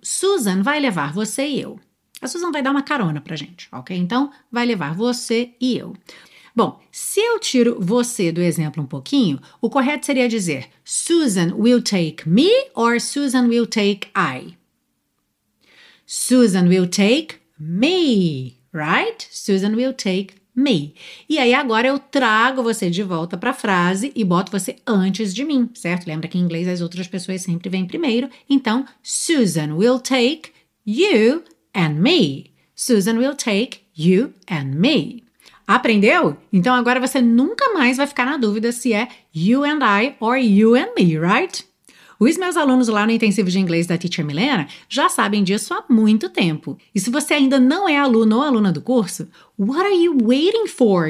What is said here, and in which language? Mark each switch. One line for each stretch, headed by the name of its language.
Portuguese: Susan vai levar você e eu. A Susan vai dar uma carona pra gente, ok? Então, vai levar você e eu. Bom, se eu tiro você do exemplo um pouquinho, o correto seria dizer
English: Susan will take me or Susan will take I. Susan will take me, right? Susan will take me.
Portuguese: E aí agora eu trago você de volta para a frase e boto você antes de mim, certo? Lembra que em inglês as outras pessoas sempre vêm primeiro.
English: Então, Susan will take you and me. Susan will take you and me.
Portuguese: Aprendeu? Então agora você nunca mais vai ficar na dúvida se é
English: you and I or you and me, right?
Portuguese: Os meus alunos lá no Intensivo de Inglês da Teacher Milena já sabem disso há muito tempo. E se você ainda não é aluno ou aluna do curso,
English: what are you waiting for?